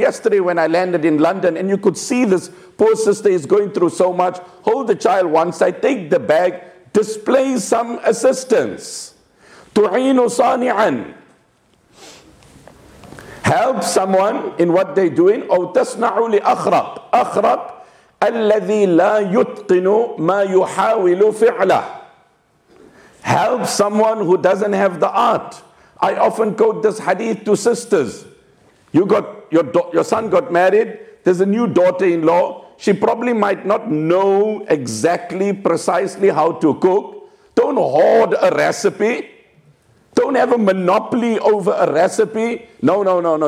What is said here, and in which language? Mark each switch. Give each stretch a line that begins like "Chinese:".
English: Yesterday when I landed in London, and you could see this poor sister is going through so much. Hold the child one side, take the bag, display some assistance.
Arabic: Tu'inu sani'an.
English: Help someone in what they're doing.
Arabic: أو تصنع لأخرق. أخرق الذي لا يتقن ما يحاول فعله.
English: Help someone who doesn't have the art. I often quote this hadith to sisters. Your son got married. There's a new daughter-in-law. She probably might not know exactly, precisely how to cook. Don't hoard a recipe. Don't have a monopoly over a recipe. No.